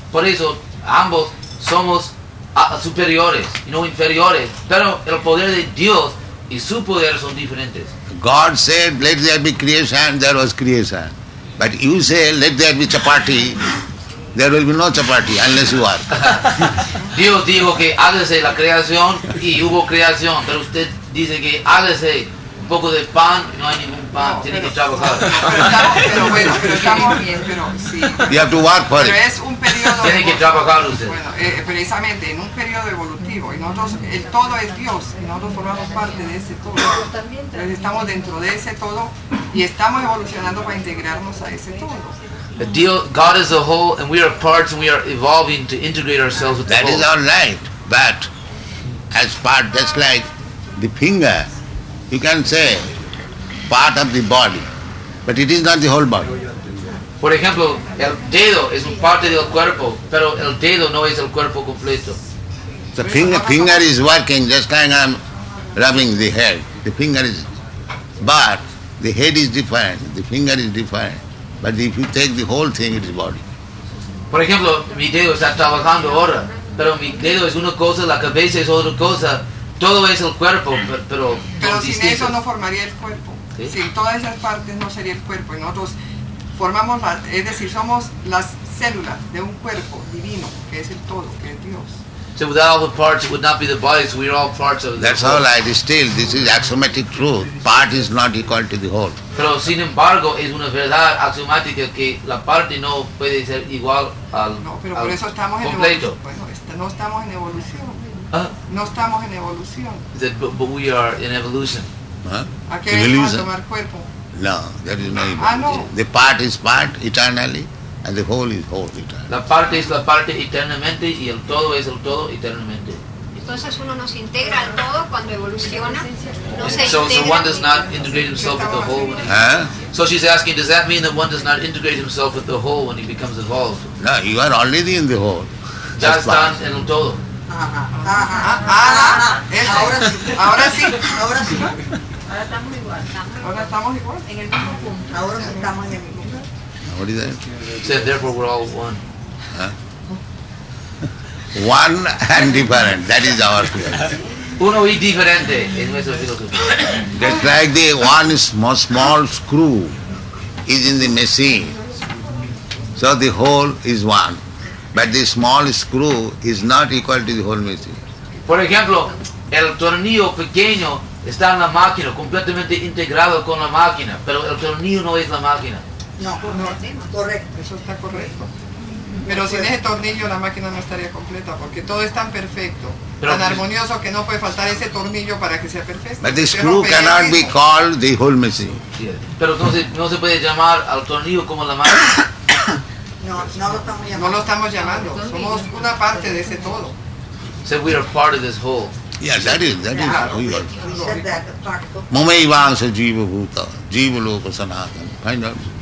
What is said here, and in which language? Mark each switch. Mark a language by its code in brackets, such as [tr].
[es] Por eso ambos somos superiores, no inferiores. Pero el poder de Dios y su poder son diferentes. [en] God said, let there be creation, there was creation. But you say, let there be chapati, there will be no chapati, unless you are. [es] Dios dijo que hágase la creación y hubo creación. Pero usted dice que hágase un poco de pan, no hay ningún pan, no, tiene que trabajar. Pero estamos bien. [en] You have to work for [es] pero [en] it. [es] Es un periodo tiene que trabajar usted. Bueno, precisamente, en un periodo evolutivo, y nosotros, el todo es Dios, y nosotros formamos parte de ese todo. Entonces estamos dentro de ese todo, y estamos evolucionando para integrarnos a ese todo. [en] God is a whole, and we are parts, and we are evolving to integrate ourselves with the whole. That is all right, but as part, just like the finger, you can say part of the body, but it is not the whole body. [es] Por ejemplo, el dedo es un parte del cuerpo, pero el dedo no es el cuerpo completo. [en] The finger is working, just like I'm rubbing the head. The finger is, but the head is different, the finger is different. But if you take the whole thing, it is body. [es] Por ejemplo, mi dedo está trabajando ahora, pero mi dedo es una cosa, la cabeza es otra cosa. Todo es el cuerpo, pero sin distintos. Eso no formaría el cuerpo. ¿Sí? Sin todas esas partes no sería el cuerpo. Y nosotros formamos, es decir, somos las células de un cuerpo divino, que es el todo, que es Dios. [en] So without all the parts, it would not be the body, so we are all parts of the That's whole. All right. Still, this is axiomatic truth. Part is not equal to the whole. [es] Pero sin embargo, es una verdad axiomática que la parte no puede ser igual al completo. No estamos en evolución. No estamos en evolución. [en] But we are in evolution. [es] ¿A qué venimos a tomar cuerpo? [en] No, there is no evolution. [es] Ah, no. [en] The part is part eternally. And the whole is whole eternally. [es] La parte es la parte eternamente y el todo es el todo eternamente. Entonces uno no se integra al todo cuando evoluciona. [en] So one does not integrate himself with the whole when he... Huh? So she's asking, does that mean that one does not integrate himself with the whole when he becomes evolved? No, you are already in the whole. [es] Ya están en el todo. Ahora sí. Ahora estamos igual. En el mismo punto. Ahora estamos en el mismo. [en] What is that? Said, therefore we're all one. Huh? One and different, that is our philosophy. [es] Uno y diferente es nuestra filosofía. [en] Just like the one small screw is in the machine, so the whole is one. But the small screw is not equal to the whole machine. [es] Por ejemplo, el tornillo pequeño está en la máquina, completamente integrado con la máquina, pero el tornillo no es la máquina. No, correcto. Eso está correcto. Pero sin ese tornillo la máquina no estaría completa, porque todo es tan perfecto, tan armonioso, que no puede faltar ese tornillo para que sea perfecto. [en] But the screw cannot be called the whole machine. Yeah. [es] Pero no se puede llamar al tornillo como la máquina. No lo estamos llamando. Somos una parte de ese todo. [en] So we are part of this whole. Yeah, that is who you are. We said that, the particle. [sa] Mamai vansa jiva bhuta, jiva loka sanatana. [en] Find out.